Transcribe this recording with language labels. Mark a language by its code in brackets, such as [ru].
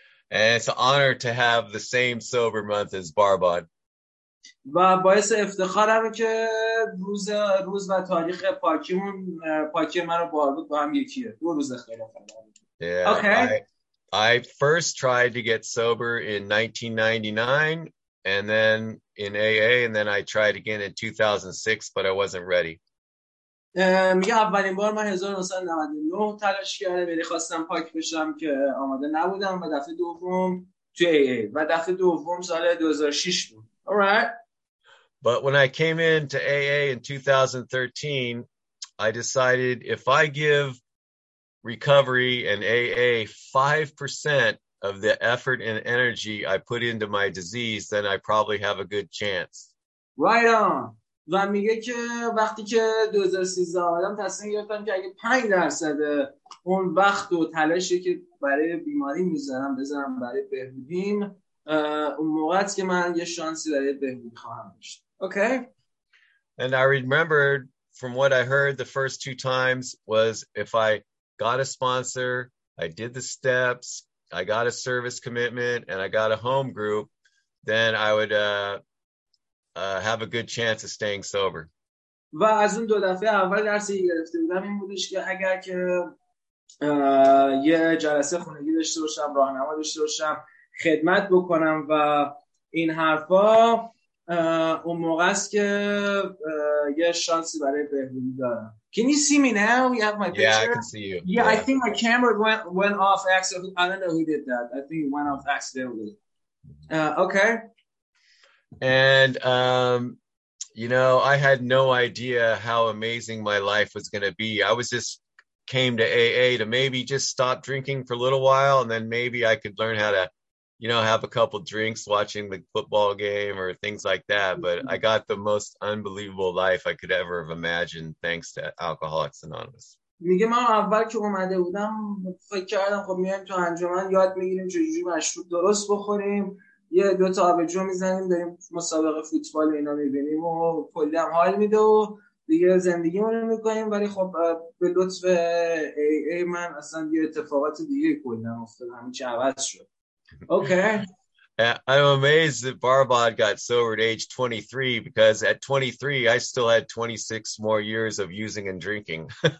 [en] And it's an honor to have the same sober month as Barbad. [fa] و باعث افتخارم که روز و تاریخ پاکی من رو باربود با هم یکیه. دو روز خیلی خوبه. [en] Okay. I first tried to get sober in 1999 and then in AA and then I tried again in 2006 but I wasn't ready. [fa] میگه اولین بار من 1999 تلاش کردم ولی خواستم پاک بشم که آماده نبودم و دفعه دوم تو AA و دفعه دوم سال 2006 بود. [en] All right. But when I came in to AA in 2013 I decided if I give recovery and AA 5% of the effort and energy I put into my disease, then I probably have a good chance. Right on. [fa] و میگه که وقتی که 2013 آدم تصمیم گرفتم که اگه 5% اون وقت و تلاشی که برای بیماری میذارم بذارم برای بهبودیم اون موقع است که من یه شانسی برای بهبودی خواهم داشت. [en] Okay. And I remembered from what I heard the first two times was if I got a sponsor, I did the steps, I got a service commitment, and I got a home group, then I would have a good chance of staying sober. [fa] و از اون دو دفعه اول درسی گرفته بودم این بودش که اگر که یه جلسه خانگی داشته باشم، راهنما داشته باشم، خدمت بکنم و این حرفا اون موقع است که یه شانسی برای بهبودی دارم. [en] Can you see me now? You have my picture? Yeah, I can see you. Yeah, yeah. I think my camera went off accidentally. I don't know who did that. I think it went off accidentally. Okay. And, you know, I had no idea how amazing my life was going to be. I was just came to AA to maybe just stop drinking for a little while, and then maybe I could learn how to, you know, have a couple drinks watching the football game or things like that. But I got the most unbelievable life I could ever have imagined thanks to Alcoholics Anonymous. [fa] میگه من اول که اومده بودم فکر کردم خب میایم تو انجمن یاد میگیریم چجوری مشروب درست بخوریم یه دو تا آبجو میزنیم، داریم مسابقه فوتبال اینا میبینیم و کلی هم حال میده و دیگه زندگیمون رو میکنیم. ولی خب به لطف ای من اصلا یه اتفاقات دیگه کلی هم افتاد، همین چه عوض شد. [en] Okay. I'm amazed that Barbad got sober at age 23, because at 23, I still had 26 more years of using and drinking.